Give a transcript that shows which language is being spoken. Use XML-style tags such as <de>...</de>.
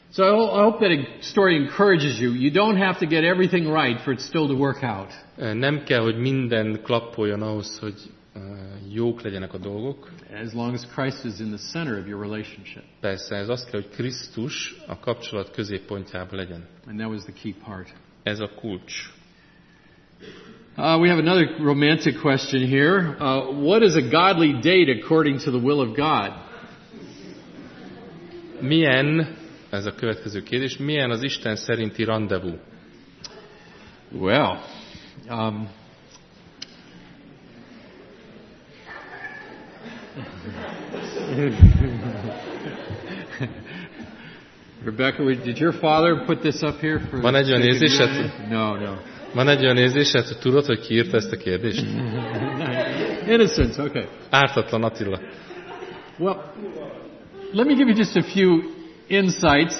<en>So I hope that a story encourages you. You don't have to get everything right for it still to work out.</en> <hu>Nem kell, hogy minden klappoljon ahhoz, hogy jók legyenek a dolgok.</hu> <en>As long as Christ is in the center of your relationship.</en> <hu>Persze, ez azt kell, hogy Krisztus a kapcsolat középpontjában legyen.</hu> <en>And that was the key part.</en> <hu>Ez a kulcs.</hu> <en>We have another romantic question here. What is a godly date according to the will of God?</en> <hu>Milyen, ez a következő kérdés, milyen az Isten szerinti randevú?</hu> <en>Well, Rebecca, did your father put this up here for</en> <hu>van egy olyan érzésed?</hu> <en>No.</en> <hu>Van egy olyan érzésed, hogy tudod, hogy ki írta ezt a kérdést?</hu> <en>Innocence, okay.</en> <hu>Ártatlan Attila.</hu> <en>Well, let me give you just a few insights.</en>